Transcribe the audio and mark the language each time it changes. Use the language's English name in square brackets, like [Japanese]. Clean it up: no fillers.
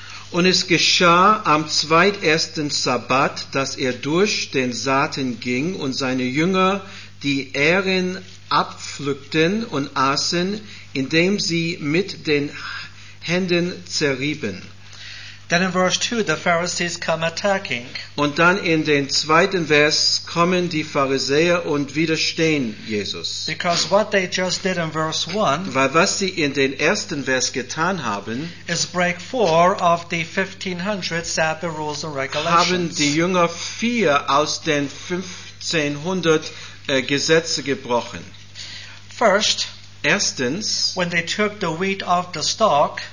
[German] Und es geschah am zweitersten Sabbat, dass er durch den Saaten ging und seine Jünger die Ähren abpflückten und aßen, indem sie mit den Händen zerrieben. [English] Then in verse 2, the Pharisees come attacking. [German] Und dann in den zweiten Vers kommen die Pharisäer und widerstehen Jesus. [English] Because what they just did in verse 1, [German] weil was sie in den ersten Vers getan haben, [English] is break four of the 1500 Sabbath rules and regulations. [German] Haben die Jünger vier aus den 1500 Gesetze gebrochen. [English] First, [German] erstens, [English] when they took the wheat off the stalk,